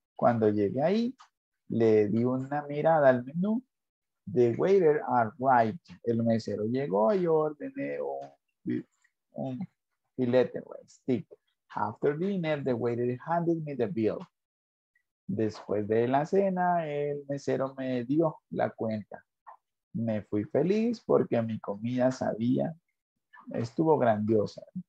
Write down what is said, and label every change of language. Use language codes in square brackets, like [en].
[es] Cuando llegué ahí, le di una mirada al menú. [en] The waiter arrived. [es] El mesero llegó y ordené un filete, stick. [en] After dinner, the waiter handed me the bill. [es] Después de la cena, el mesero me dio la cuenta. Me fui feliz porque mi comida estuvo grandiosa.